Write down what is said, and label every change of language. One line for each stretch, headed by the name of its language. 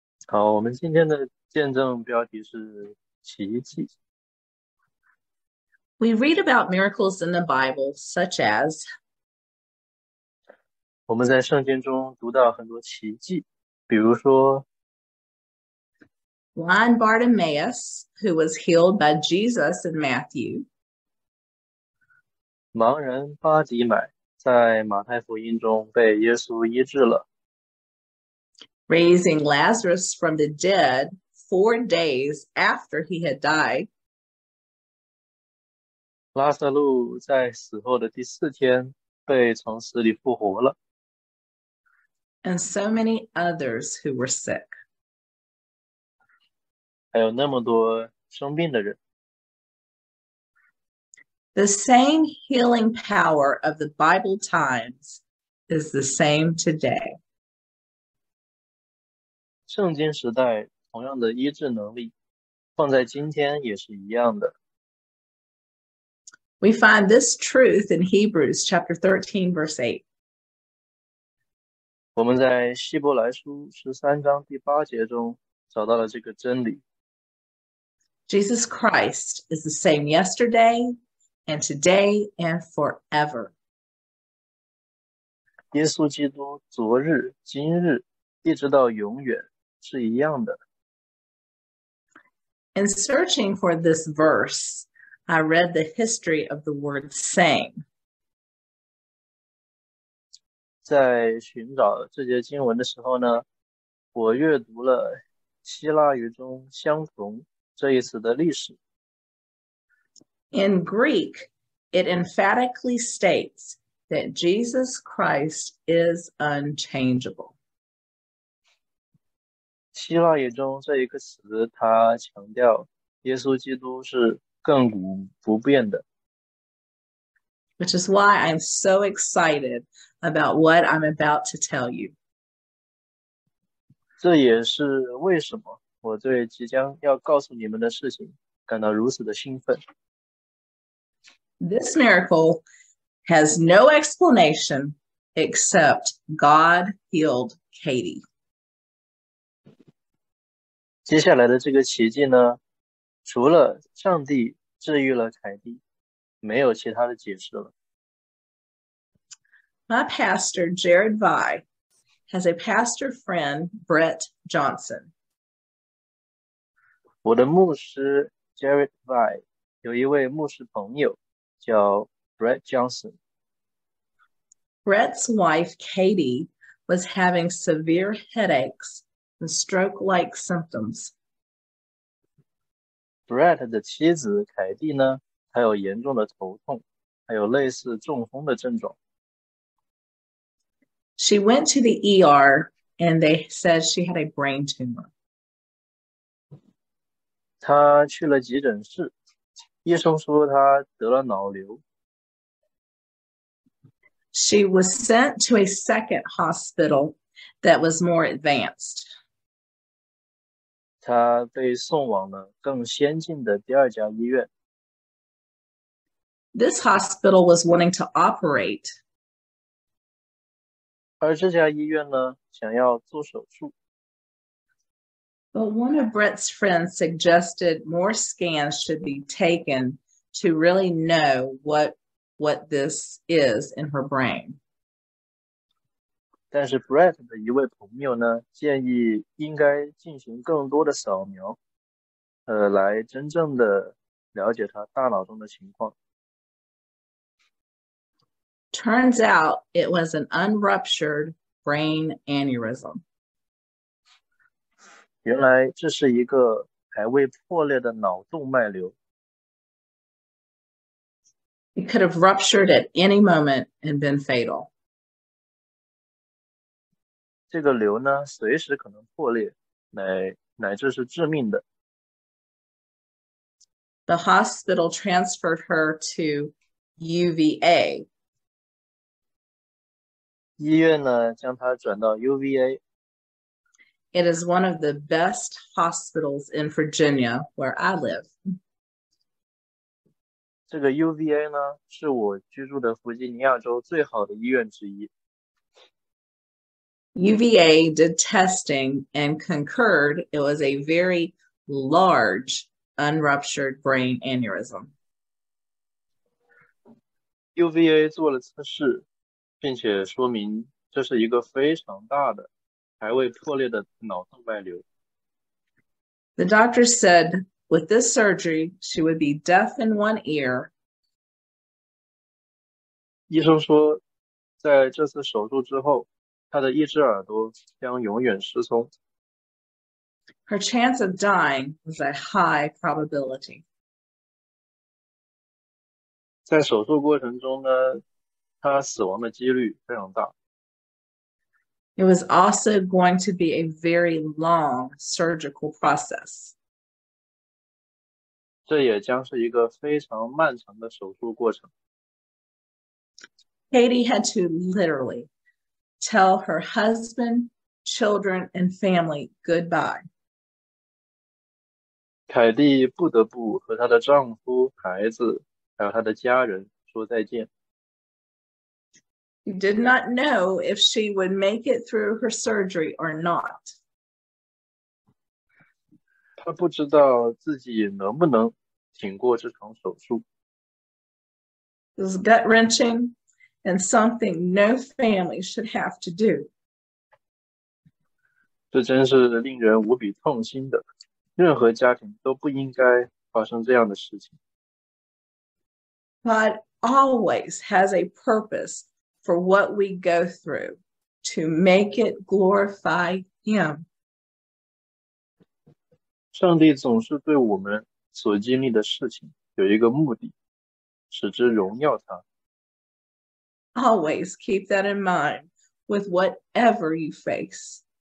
Chinese: 好，我们今天的见证标题是。
English: We read about miracles in the Bible, such as
Chinese: 我们在圣经中读到很多奇迹，比如说
English: blind Bartimaeus, who was healed by Jesus in Matthew.
Chinese: 盲人巴迪买在马太福音中被耶稣医治了。
English: Raising Lazarus from the dead, 4 days after he had died.
Chinese: 拉撒路在死后的第四天被从死里复活了。
English: And so many others who were sick.
Chinese: 还有那么多生病的人。
English: The same healing power of the Bible times is the same today.
Chinese: 圣经时代同样的医治能力放在今天也是一样的。
English: We find this truth in Hebrews chapter 13 verse 8.
Chinese: 我们在希伯来书13章第8节中找到了这个真理。
English: Jesus Christ is the same yesterday and today and forever.
Chinese: 耶稣基督昨日今日一直到永远是一样的。
English: In searching for this verse, I read the history of the word same.
Chinese: 在寻找这节经文的时候呢，我阅读了希腊语中相同这一词的历史。
English: In Greek, it emphatically states that Jesus Christ is unchangeable.
Chinese: 希腊语中这一个词，它强调耶稣基督是亘古不变的。
English: Which is why I'm so excited about what I'm about to tell you.
Chinese: 这也是为什么我对即将要告诉你们的事情感到如此的兴奋。
English: This miracle has no explanation except God healed Katie.
Chinese: 接下来的这个奇迹呢，除了上帝治愈了凯蒂，没有其他的解释了。
English: My pastor, Jared Vai, has a pastor friend, Brett Johnson.
Chinese: 我的牧师 Jared Vai 有一位牧师朋友叫 Brett Johnson.
English: Brett's wife, Katie, was having severe headaches. And stroke-like symptoms.
Chinese: Brett 的妻子凯蒂呢，她有严重的头痛，还有类似中风的症状。
English: She went to the ER, and they said she had a brain tumor.
Chinese: 她去了急诊室，医生说她得了脑瘤。
English: She was sent to a second hospital that was more advanced.
Chinese: 他被送往了更先进的第二家医院。
English: This hospital was wanting to operate,
Chinese: 而这家医院呢，想要做手术。
English: But one of Brett's friends suggested more scans should be taken to really know what this is in her brain.
Chinese: 但是 Brett 的一位朋友呢，建议应该进行更多的扫描，来真正的了解他大脑中的情况。
English: Turns out it was an unruptured brain aneurysm.
Chinese: 原来这是一个还未破裂的脑动脉瘤。
English: It could have ruptured at any moment and been fatal.
Chinese: 这个瘤呢，随时可能破裂，乃至是致命的。
English: The hospital transferred her to UVA.
Chinese: 医院呢，将它转到 UVA。
English: It is one of the best hospitals in Virginia where I live.
Chinese: 这个 UVA 呢，是我居住的弗吉尼亚州最好的医院之一。
English: UVA did testing and concurred it was a very large unruptured brain aneurysm.
Chinese: UVA 做了测试。并且说明这是一个非常大的、还未破裂的脑动脉瘤。
English: The doctor said, with this surgery, she would be deaf in one ear.
Chinese: 医生说，在这次手术之后，她的一只耳朵将永远失聪。
English: Her chance of dying was a high probability.
Chinese: 在手术过程中呢，他死亡的几率非常大。
English: It was also going to be a very long surgical process.
Chinese: 这也将是一个非常漫长的手术过程。
English: Katie had to literally tell her husband, children, and family goodbye.
Chinese: 凯蒂不得不和她的丈夫、孩子，还有她的家人说再见。
English: Did not know if she would make it through her surgery or not.
Chinese: 她不知道自己能不能挺过这场手术。
English: It was gut-wrenching and something no family should have to do.
Chinese: 这真是令人无比痛心的，任何家庭都不应该发生这样的事情。
English: God always has a purpose. For what we go through, to make it glorify Him.
Chinese: 上帝总是对我们所经历的事情有一个目的，使之荣耀他。
English: Always keep that in mind with whatever you face.